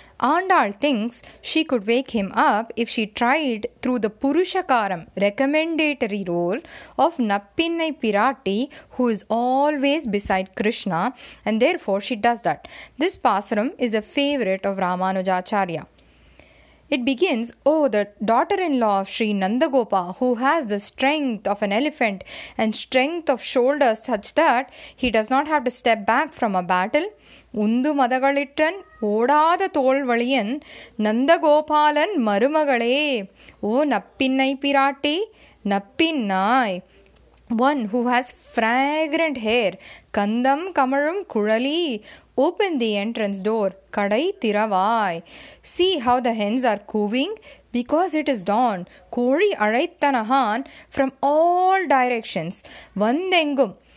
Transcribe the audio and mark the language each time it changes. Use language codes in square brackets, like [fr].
[en] Andal things she could wake him up if she tried through the purushakaram recommendatory role of Nappinnai Piratti who is always beside Krishna and therefore she does that. This pasuram is a favourite of Ramanujacharya. It begins, "Oh, the daughter-in-law of Sri Nandagopa, who has the strength of an elephant and strength of shoulders such that he does not have to step back from a battle." [ta] உந்து மதகளிற்றன் ஓடாத தோல் வழியன் நந்தகோபாலன் மருமகளே. ஓ நப்பின்னை பிராட்டி, நப்பின்னாய். [en] One who has fragrant hair, [ta] kandam kamalum kulali, [en] open the entrance door, [ta] kadai thiravai. [en] See how the hens are cooing, because it is dawn. [ta] Kori araithanahan [en] from all directions, [ta] vandengum.